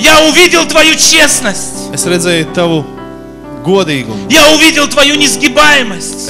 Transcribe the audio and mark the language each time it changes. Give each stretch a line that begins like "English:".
Russian: Я увидел твою честность.
Latvian: Es redzēju tavu godīgumu.
Russian: Я увидел твою несгибаемость.